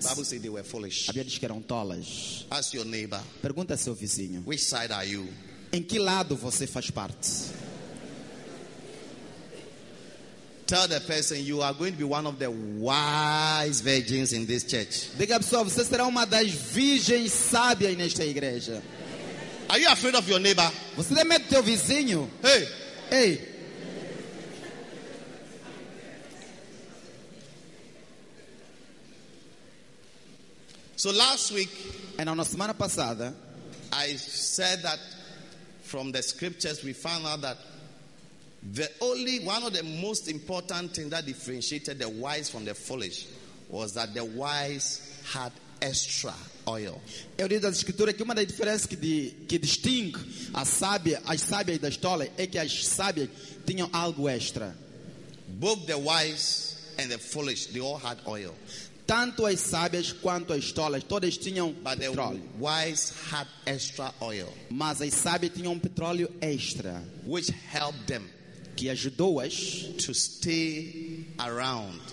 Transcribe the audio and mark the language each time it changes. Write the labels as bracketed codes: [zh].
[en] The Bible says they were foolish. [pt] A Bíblia diz que eram tolas. [en] Ask your neighbor. [pt] Pergunta ao seu vizinho. [en] Which side are you? [pt] Em que lado você faz parte? [en] Tell the person you are going to be one of the wise virgins in this church. [pt] Diga à pessoa, você será uma das virgens sábias nesta igreja. [en] Are you afraid of your neighbor? [pt] Você tem medo do teu vizinho? Hey. Hey. [en] So last week, and [pt] na semana passada, [en] I said that from the scriptures we found out that the only one of the most important things that differentiated the wise from the foolish was that the wise had extra oil. [pt] Eu disse na escritura que uma das diferenças que distingue as sábias das tolas é que as sábias tinham algo extra. [en] Both the wise and the foolish, they all had oil. [pt] Tanto as sábias quanto as tolas, todas tinham petróleo. [en] But the wise had extra oil. [pt] Mas as sábias tinham um petróleo extra, [en] which helped them, [pt] que ajudou-as, [en] to stay around,